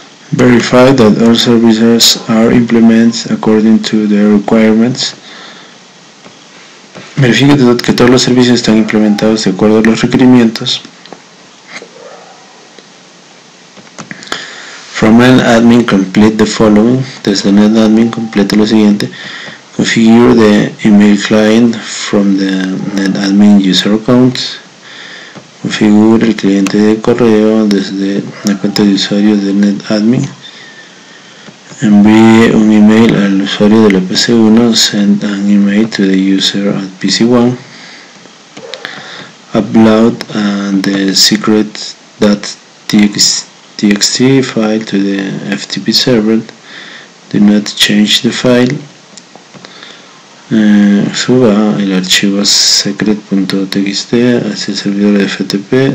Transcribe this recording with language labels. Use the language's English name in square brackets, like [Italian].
[English] Verify that all services are implemented according to the requirements. [Spanish] Verifique que todos los servicios están implementados de acuerdo a los requerimientos. [English] From an admin, complete the following. [Spanish] Desde net admin, complete lo siguiente. [English] Configure the email client from the net admin user account. [Spanish] Configure el cliente de correo desde la cuenta de usuario de net admin. Envíe un email al usuario de la PC1, [English] send an email to the user at PC1. Upload the secret.txt file to the FTP server. Do not change the file. [Spanish] Suba el archivo secret.txt hacia el servidor de FTP.